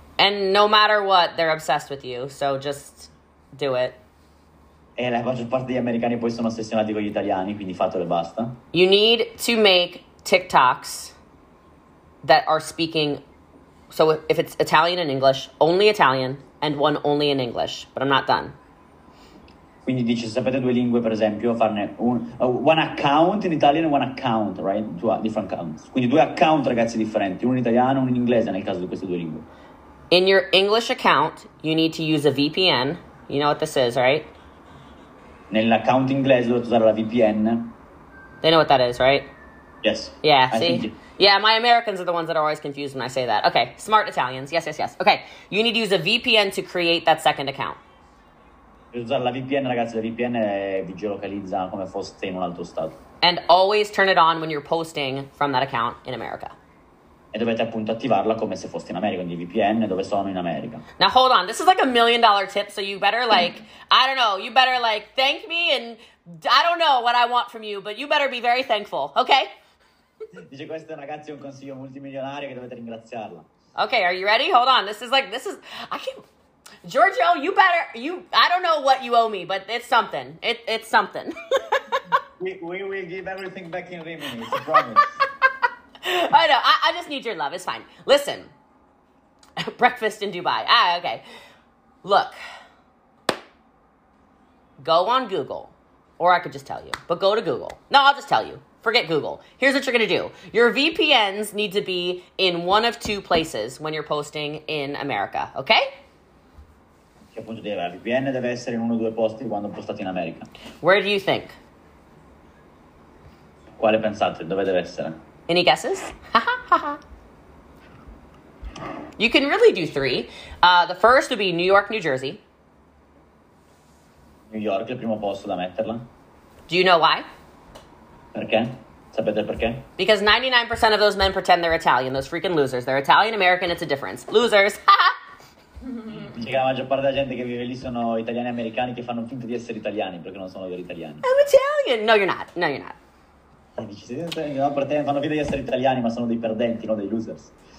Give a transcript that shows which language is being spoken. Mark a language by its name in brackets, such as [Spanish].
[English] And no matter what, they're obsessed with you, so just do it. [Italian] E la maggior parte degli americani poi sono ossessionati con gli italiani, quindi fatelo e basta. [English] You need to make TikToks that are speaking, so if it's Italian and English, only Italian, and one only in English, but I'm not done. [Italian] Quindi dici, se sapete due lingue, per esempio, farne [English] one account in Italian [Italian] e [English] one account, right? Two different accounts. [Italian] Quindi due account, ragazzi, differenti, uno in italiano e uno in inglese nel caso di queste due lingue. [English] In your English account, you need to use a VPN. You know what this is, right? [Italian] Nell'account inglese dovete usare la VPN. [English] They know what that is, right? Yes, Yeah, I see? think you. Yeah, my Americans are the ones that are always confused when I say that. Okay, smart Italians. Yes. Okay, you need to use a VPN to create that second account. [Italian] Usare la VPN, ragazzi, la VPN vi geolocalizza come foste in un altro stato. [English] and always turn it on when you're posting from that account in America. [Italian] E dovete appunto attivarla come se foste in America, quindi VPN dove sono in America. [English] Now hold on, this is like a $1 million tip, so you better like, I don't know, you better like thank me and I don't know what I want from you, but you better be very thankful, okay? [Italian] Dice, questo ragazzi è un consiglio multimilionario che dovete ringraziarla. [English] Okay, are you ready? Hold on. I can't. Giorgio, you better. You. I don't know what you owe me, but it's something. It's something. We will give everything back in Rimini, I promise. I know. I just need your love. It's fine. Listen. Breakfast in Dubai. Ah, okay. Look. Go on Google. Or I could just tell you, but go to Google. No, I'll just tell you. Forget Google. Here's what you're gonna do. Your VPNs need to be in one of two places when you're posting in America, okay? [Italian] Che appunto deve avere VPN deve essere in uno o due posti quando postate in America. [English] Where do you think? [Italian] Quale pensate? Dove deve essere? [English] Any guesses? You can really do three. The first would be New York, New Jersey. [Italian] New York è il primo posto da metterla. Perché? [English] Do you know why? [Italian] Sapete perché? [English] Because 99% of those men pretend they're Italian, those freaking losers. They're Italian American, it's a difference. Losers. [Italian] Perché la maggior parte della gente che vive lì sono italiani americani che fanno finta di essere italiani perché non sono veri italiani. [English] I'm Italian. No, you're not. No, you're not. [Italian] No, fanno finta di essere italiani, ma sono dei perdenti, non dei losers.